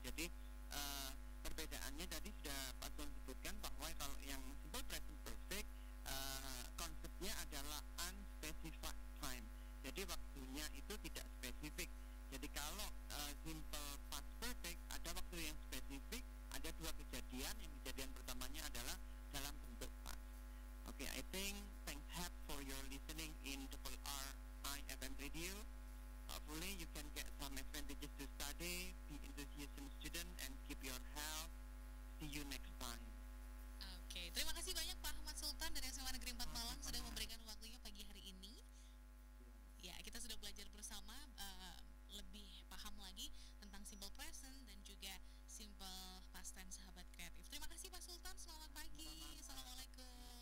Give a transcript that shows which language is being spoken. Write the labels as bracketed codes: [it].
[id] Jadi perbedaannya tadi sudah Pak Tuan sebutkan bahwa kalau yang simple present perfect konsepnya adalah unspecified time. Jadi waktunya itu tidak spesifik. Jadi kalau simple past perfect ada waktu yang spesifik, ada dua kejadian, yang kejadian pertamanya adalah dalam bentuk past. [en] Okay, I think thanks have for your listening in RIFM Radio. Hopefully you can get some advantages to study, be enthusiastic student, and keep your health. See you next time. [id] Okay, terima kasih banyak Pak Ahmad Sultan dari SMA Negeri 4 Malang sudah memberikan waktunya pagi hari ini. Ya, kita sudah belajar bersama lebih paham lagi tentang simple present dan juga simple past tense sahabat kreatif. Terima kasih Pak Sultan, selamat pagi. Assalamualaikum.